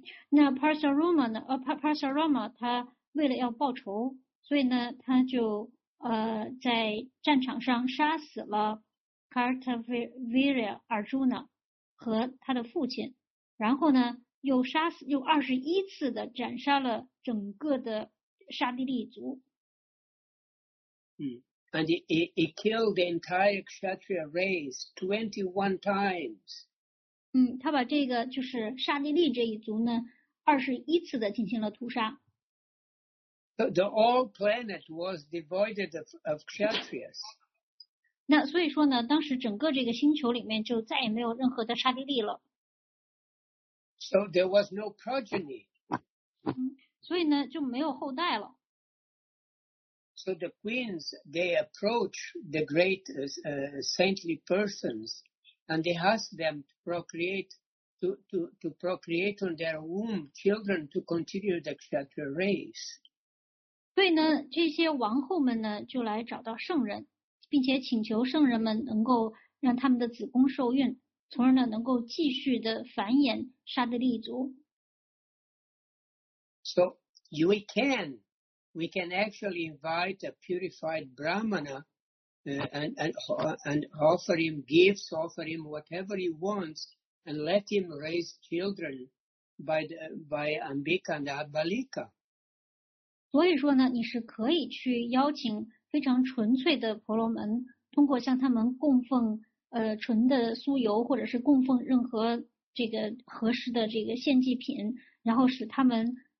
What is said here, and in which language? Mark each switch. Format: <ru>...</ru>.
<zh>那 Parashurama 呢Parashurama 他为了要报仇，所以呢他就在战场上杀死了 Kartavirya Arjuna 和他的父亲，然后呢又21次的斩杀了整个的刹帝利族。</zh> <en>And he killed the entire Kshatriya race 21 times。</en> <zh>他把这个就是刹帝利这一族呢21次的进行了屠杀。</zh> <en>The whole planet was devoided of Kshatriyas。</en> <zh>那所以说呢，当时整个这个星球里面就再也没有任何的刹帝利了。</zh> <en>So there was no progeny.</en> <zh>所以呢就没有后代了。</zh> <en>So the queens, they approach the great, saintly persons, and they ask them to procreate, to procreate on their womb children to continue the Kshatriya race.</en> <zh>所以呢这些王后们呢就来找到圣人并且请求圣人们能够让他们的子宫受孕从而呢能够继续的繁衍沙德利族。</zh> <en>So, we can actually invite a purified Brahmana, and offer him gifts, offer him whatever he wants, and let him raise children by Ambika and Abalika.</en> <zh>所以说呢，你是可以去邀请非常纯粹的婆罗门，通过向他们供奉纯的酥油，或者是供奉任何这个合适的这个献祭品，然后使他们。</zh>